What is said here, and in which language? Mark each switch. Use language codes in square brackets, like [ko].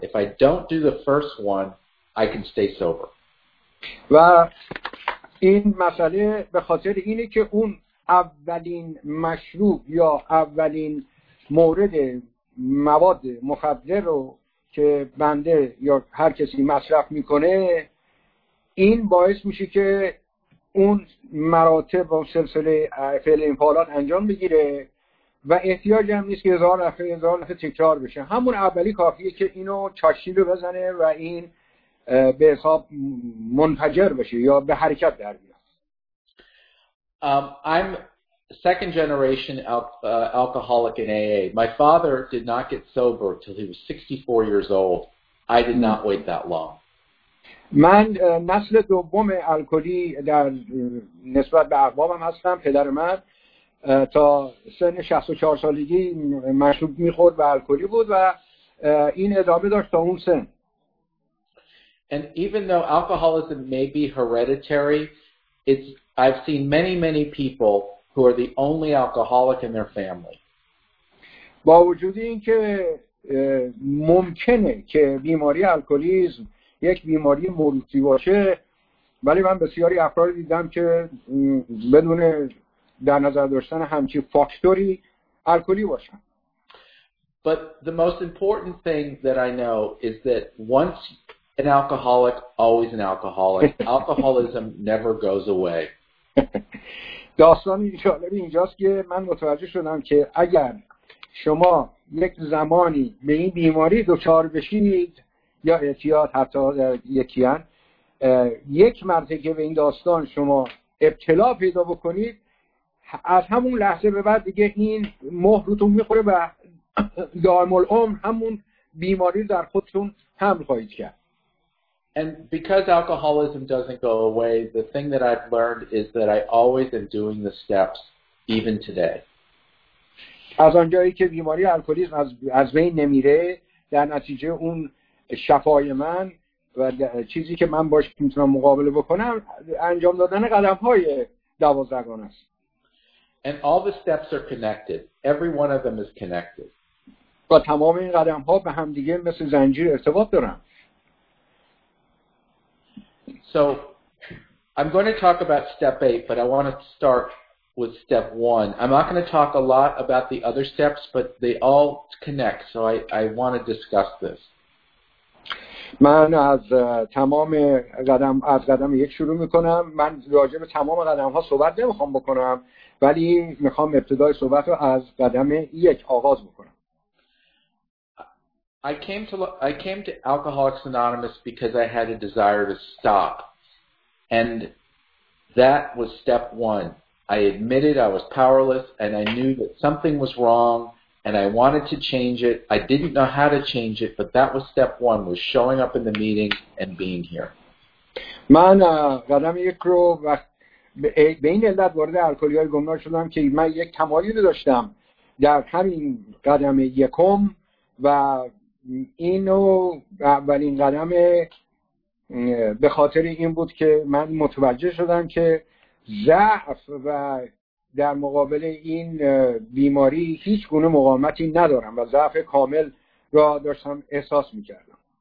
[en] If I don't do the first one, I can stay sober. [fa] و این مسئله به خاطر اینه که اون اولین مشروب یا اولین مورد مواد مخدر رو که بنده یا هر کسی مصرف میکنه این باعث میشه که اون مراتب و سلسله فعل انفعالات انجام بگیره و احتیاج هم نیست که هزار دفعه تکرار بشه. همون اولی کافیه که اینو چاشنی رو بزنه و این به حساب منفجر بشه یا به حرکت در بیاد. [en] I'm second generation alcoholic in AA. My father did not get sober till he was 64 years old. I did not wait that long. [fa] من نسل دوم الکلی در نسبت به اقوامم هستم. پدر من تا سن 64 سالگی مشروب میخورد و الکلی بود و این ادامه داشت تا اون سن. [en] And even though alcoholism may be hereditary, I've seen many, many people who are the only alcoholic in their family. [fa] با وجود این که ممکنه که بیماری الکلیسم یک بیماری موروثی باشه، ولی من بسیاری افراد دیدم که بدون در نظر داشتن همچی فاکتوری الکلی باشن. [en] But the most important thing that I know is that once an alcoholic, always an alcoholic. Alcoholism never goes away. [fa] داستان اینجاست که من متوجه شدم که اگر شما یک زمانی به این بیماری دچار بشید یا اعتیاد حتی یکیان یک مرتبه که به این داستان شما ابتلا پیدا بکنید از همون لحظه به بعد دیگه این مهر رو تو میخوره و دائم العمر همون بیماری در خودتون حمل خواهید کرد. [en] And because alcoholism doesn't go away, the thing that I've learned is that I always am doing the steps, even today. [fa] از آنجایی که بیماری الکلیسم از بین نمیره، در نتیجه اون شفای من و چیزی که من باش میتونم مقابله بکنم، انجام دادن قدم‌های دوازدهگانه است. [en] And all the steps are connected. Every one of them is connected. [fa] و تمام این قدم‌ها به هم دیگه مثل زنجیر ارتباط دارن. [en] So I'm going to talk about step 8, but I want to start with step 1. I'm not going to talk a lot about the other steps, but they all connect, so I want to discuss this. [fa] من از تمام قدم از قدم یک شروع میکنم. من راجع به تمام قدم ها صحبت نمیخوام بکنم، ولی میخوام ابتدای صحبت رو از قدم یک آغاز بکنم. [en] I came to Alcoholics Anonymous because I had a desire to stop, and that was step one. I admitted I was powerless, and I knew that something was wrong, and I wanted to change it. I didn't know how to change it, but that was step one, was showing up in the meeting and being here. [fa] من قدم یک رو به این علت وارد الکلی‌های گمنام شدم که من یک تمایلی داشتم در همین قدم یکم و اینو اولین قدم به خاطر این بود که من متوجه شدم که ضعف و در مقابل این بیماری هیچ گونه مقاومتی ندارم و ضعف کامل را داشتم احساس می‌کردم.